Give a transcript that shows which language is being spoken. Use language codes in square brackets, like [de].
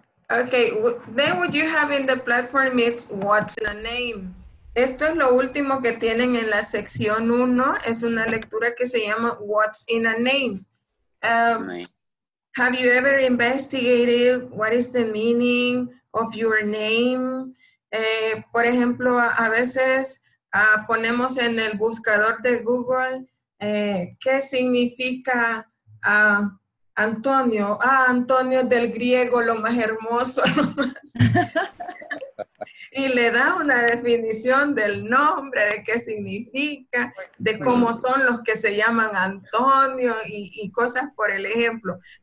[en] Okay, then what you have in the platform is what's the name. [es] Esto es lo último que tienen en la sección 1. Es una lectura que se llama What's in a Name. [en] Have you ever investigated what is the meaning of your name? [es] Por ejemplo, a veces ponemos en el buscador de Google ¿qué significa Antonio? Ah, Antonio del griego, lo más hermoso. Y le da una definición del nombre, de qué significa, de cómo son los que se llaman Antonio y cosas por el ejemplo.